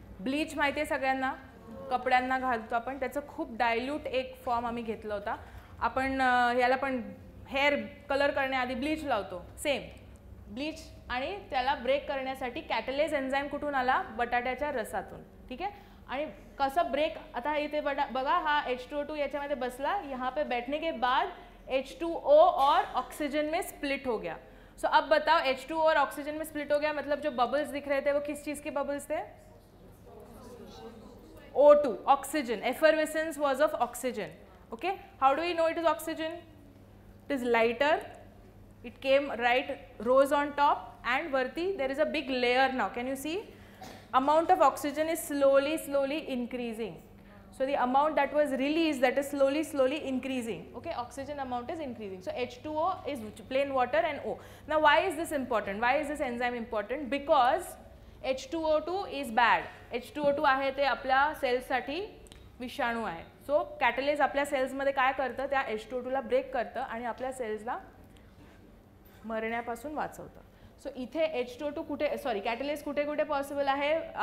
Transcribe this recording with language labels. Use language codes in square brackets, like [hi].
[mr] Bleach माहिती आहे सगळ्यांना, कपड्यांना घालतो आपण, त्याचं खूप डायल्यूट एक फॉर्म आम्ही घेतला होता. आपण याला पण हेअर कलर करण्याआधी ब्लीच लावतो, सेम ब्लीच. आणि त्याला ब्रेक करण्यासाठी कॅटलेज एन्झाईम कुठून आला? बटाट्याच्या रसातून. ठीक आहे, आणि कसं ब्रेक? आता इथे बटा बघा, हा H2O2 याच्यामध्ये बसला, [hi] यहाँ पे बैठने के बाद H2O और ऑक्सिजन में स्प्लिट हो गया. सो अब बताओ, H2O और ऑक्सीजन में स्प्लिट हो गया, मतलब जो बबल्स दिख रहे थे वो किस चीज़ के बबल्स थे? [en] O2, oxygen. Effervescence was of oxygen. Okay, how do you know it is oxygen? It is lighter, it came right rose on top and वर्ती there is a big layer. Now can you see amount of oxygen is slowly slowly increasing. So the amount that was release, that is slowly slowly increasing. Okay, oxygen amount is increasing. So H2O is plain water and O. Now why is this important? Why is this enzyme important? Because H2O2 is bad. [mr] H2O2 आहे ते आपल्या सेल्ससाठी विषाणू आहे. So कॅटलेज आपल्या सेल्समध्ये काय करतं? त्या H2O2ला ब्रेक करतं आणि आपल्या सेल्सला मरण्यापासून वाचवतं. सो इथे H2O2 कुठे, सॉरी, कॅटलेज कुठे कुठे पॉसिबल आहे?